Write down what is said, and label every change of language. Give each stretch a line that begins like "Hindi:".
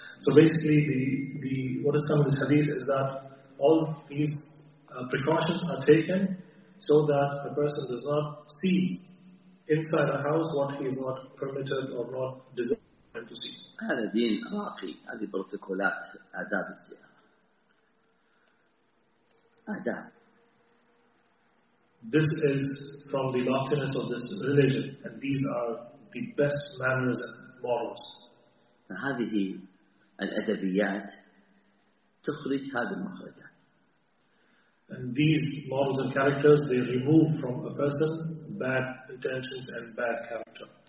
English: So basically, the what is some of this hadith is that all these precautions are taken so that a person does not see inside a house what he is not permitted or not desired to see.
Arabic: هذا دين راقي. هذه بروتوكولات آداب السيارة. آداب.
English: This is from the loftiness of this religion, and these are the best manners and morals.
Arabic: فهذه الأدبيات تخرج هذه المخرجات.
English: And these morals and characters, they remove from a person bad intentions and bad character.